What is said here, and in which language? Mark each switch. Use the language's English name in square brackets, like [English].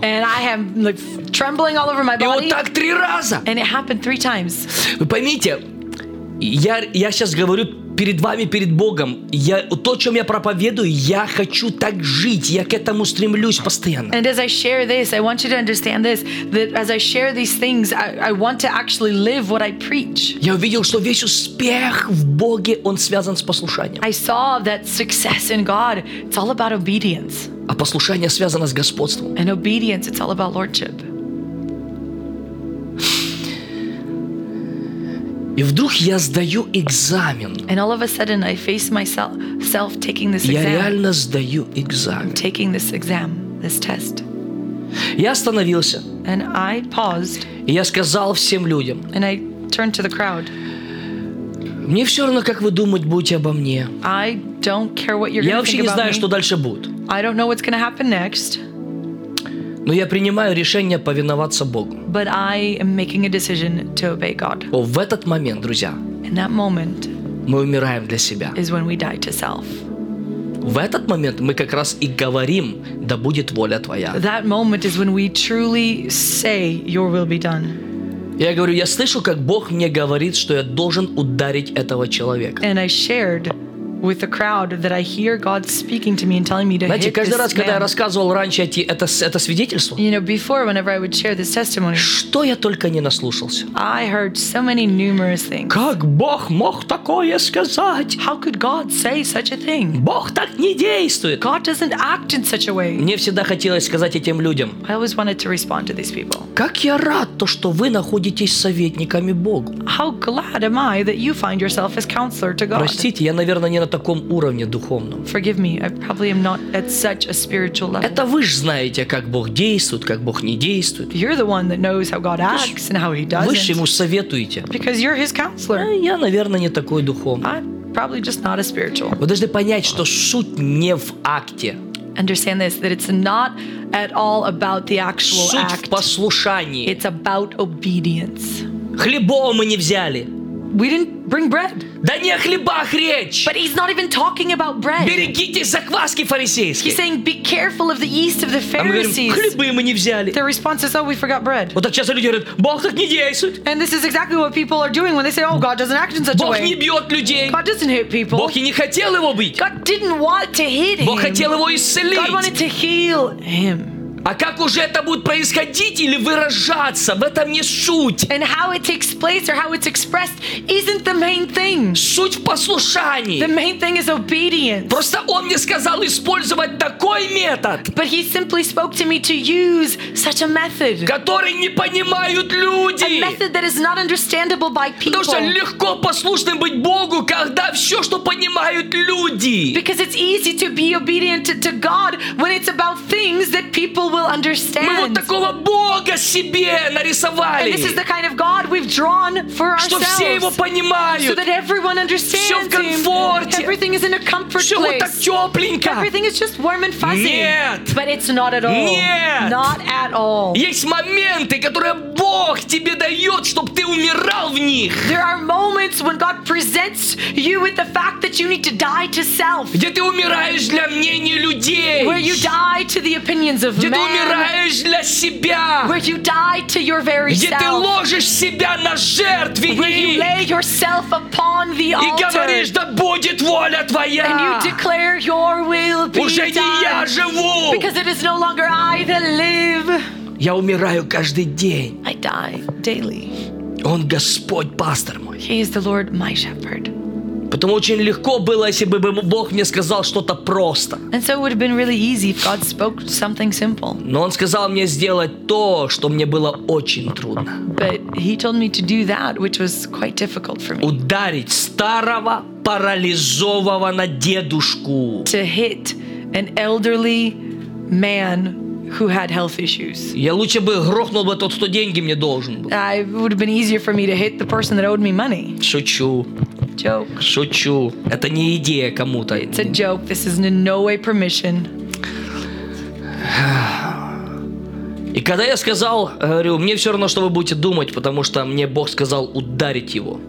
[English] And I am like trembling all over my body. [Russian] И вот так три раза. [English] And it happened three times. [Russian] Вы поймите, я сейчас говорю перед вами, перед Богом, я то, чем я проповедую, я хочу так жить, я к этому стремлюсь постоянно. [English] And as I share this, I want you to understand this, that as I share these things, I want to actually live what I preach. [Russian] Я увидел, что весь успех в Боге, он связан с послушанием. [English] I saw that success in God, it's all about obedience. [Russian] А послушание связано с господством. [English] And obedience, it's all about lordship. [Russian] И вдруг я сдаю экзамен. [English] And all of a sudden I face myself taking this exam. [Russian] Я реально сдаю экзамен. [English] I'm taking this exam, this test. [Russian] Я остановился. [English] And I paused. [Russian] И я сказал всем людям. [English] And I turned to the crowd. [Russian] Мне все равно, как вы думать будете обо мне. [English] I don't care what you're going to think about me. [Russian] Я вообще не знаю, что дальше будет. [English] I don't know what's going to happen next. [Russian] Но я принимаю решение повиноваться Богу. [English] But I am making a decision to obey God. [Russian] О, в этот момент, друзья, [English] in that moment, [Russian] мы умираем для себя. [English] Is when we die to self. [Russian] В этот момент мы как раз и говорим, да будет воля Твоя. [English] That moment is when we truly say, your will be done. [Russian] Я говорю, я слышу, как Бог мне говорит, что я должен ударить этого человека. [English] And I shared with the crowd that I hear God speaking to me and telling me to [Russian] знаете, [English] hit this [Russian] раз, [English] man. [Russian] Когда я рассказывал раньше это свидетельство, [English] you know, before, whenever I would share this testimony, [Russian] что я только не наслушался. [English] I heard so many numerous things. [Russian] Как Бог мог такое сказать? [English] How could God say such a thing? [Russian] Бог так не действует. [English] God doesn't act in such a way. [Russian] Мне всегда хотелось сказать этим людям, [English] I always wanted to respond to these people. [Russian] Как я рад, то, что вы находитесь советниками Бога. [English] How glad am I that you find yourself as counselor to God. [Russian] Простите, я, наверное, не на таком уровне духовном. [English] Forgive me, I probably am not at such a spiritual level. [Russian] Это вы же знаете, как Бог действует, как Бог не действует. [English] You're the one that knows how God acts and how he doesn't. [Russian] Вы же ему советуете. [English] Because you're his counselor. [Russian] Я, наверное, не такой духовный. [English] I'm probably just not a spiritual. [Russian] Вы должны понять, что суть не в акте. [English] Understand this, that it's not at all about the actual [Russian] суть [English] act. [Russian] Суть в послушании. [English] It's about obedience. [Russian] Хлебом мы не взяли. [English] We didn't Bring bread. [Russian] Да не о хлебах речь. [English] But he's not even talking about bread. [Russian] Берегите закваски фарисейские. [English] He's saying, be careful of the yeast of the Pharisees. [Russian] А мы говорим, хлебы мы не взяли. [English] Their response is, oh, we forgot bread. [Russian] Вот так часто люди говорят, Бог так не действует. [English] And this is exactly what people are doing when they say, oh, God doesn't act in such [Russian] Бог [English] a way. [Russian] Бог не бьет людей. [English] God doesn't hit people. [Russian] Бог и не хотел его бить. [English] God didn't want to hit him. [Russian] Бог хотел его исцелить. [English] God wanted to heal him. [Russian] А как уже это будет происходить или выражаться? В этом не суть. [English] And how it takes place or how it's expressed isn't the main thing. [Russian] Суть в послушании. [English] The main thing is obedience. [Russian] Просто он мне сказал использовать такой метод. [English] But he simply spoke to me to use such a method. [Russian] Который не понимают люди. [English] A method that is not understandable by people. [Russian] Потому что легко послушным быть Богу, когда все, что понимают люди. [English] Because it's easy to be obedient to God when it's about things that people will understand. [Russian] Мы вот такого Бога себе нарисовали. [English] And this is the kind of God we've drawn for [Russian] что [English] ourselves. [Russian] Все его понимают. [English] So that everyone understands [Russian] все в комфорте. [English] Him. Everything is in a comfort [Russian] все [English] place. [Russian] Вот так тепленько. [English] Everything is just warm and fuzzy. [Russian] Нет. [English] But it's not at all. [Russian] Нет. [English] Not at all. [Russian] Есть моменты, которые Бог тебе дает, чтобы ты умирал в них. [English] There are moments when God presents you with the fact that you need to die to self. [Russian] Где ты умираешь для мнения людей. [English] Where you die to the opinions of [Russian] Где ты умираешь для себя? [English] Where you die to your very [Russian] Где [English] self? [Russian] Ты ложишь себя на жертвенник? [English] Where you lay yourself upon the altar? [Russian] И говоришь, да будет воля твоя. [English] And you declare your will be [Russian] Уже [English] done. [Russian] Не я живу. [English] Because it is no longer I that live. [Russian] Я умираю каждый день. [English] I die daily. [Russian] Он Господь, пастор мой. [English] He is the Lord, my shepherd. [Russian] Потому очень легко было, если бы Бог мне сказал что-то просто. [English] And so it would have been really easy if God spoke something simple. [Russian] Но он сказал мне сделать то, что мне было очень трудно. [English] But he told me to do that, which was quite difficult for me. [Russian] Ударить старого парализованного дедушку. [English] To hit an elderly man who had health issues. [Russian] Я лучше бы грохнул бы тот, кто деньги мне должен был. [English] It would have been easier for me to hit the person that owed me money. [Russian] Шучу. [English] Joke. [Russian] Шучу. Это не идея кому-то. [English] It's a joke. This is in no way permission. [Russian] И когда я сказал, говорю, мне все равно, что вы будете думать, потому что мне Бог сказал ударить его.